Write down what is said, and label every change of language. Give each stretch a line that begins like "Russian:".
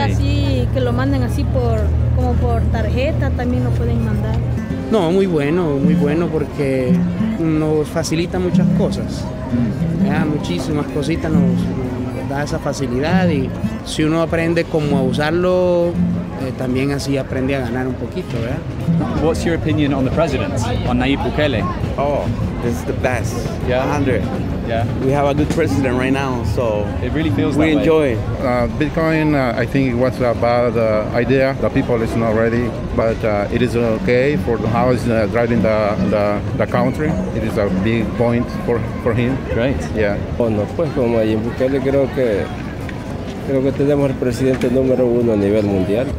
Spanish: Ya sea así, que lo manden así por, como por tarjeta, también lo pueden mandar. No, muy bueno porque nos facilita muchas cosas. Mm. Ya, muchísimas cositas nos da esa facilidad y si uno aprende cómo usarlo, también así aprende a ganar un poquito, ¿verdad?
English: What's your opinion on the president, on Nayib Bukele? Oh, this is the best. Yeah. 100. Yeah. We have a good president right now, so it really feels we enjoy. Bitcoin, I think it was a bad idea. The people is not ready, but it is okay for how it's driving the country. It is a big point for him. Great. Yeah.
Spanish: Bueno, pues con Nayib Bukele creo que tenemos el presidente número uno a nivel mundial.